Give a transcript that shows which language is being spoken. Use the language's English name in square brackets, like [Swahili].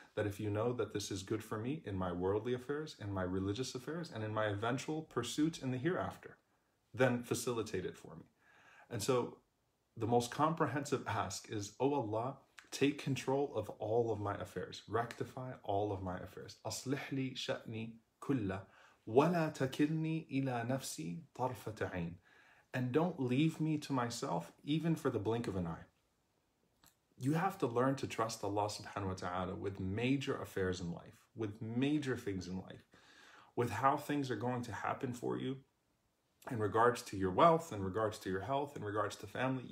[English] That if you know that this is good for me in my worldly affairs, in my religious affairs, and in my eventual pursuit in the hereafter, then facilitate it for me. And so the most comprehensive ask is, oh Allah, take control of all of my affairs. Rectify all of my affairs. [Arabic] أصلح لي شأني كله ولا تكلني إلى نفسي طرفة عين. [English] And don't leave me to myself, even for the blink of an eye. You have to learn to trust Allah subhanahu wa ta'ala with major affairs in life, with major things in life, with how things are going to happen for you in regards to your wealth, in regards to your health, in regards to family.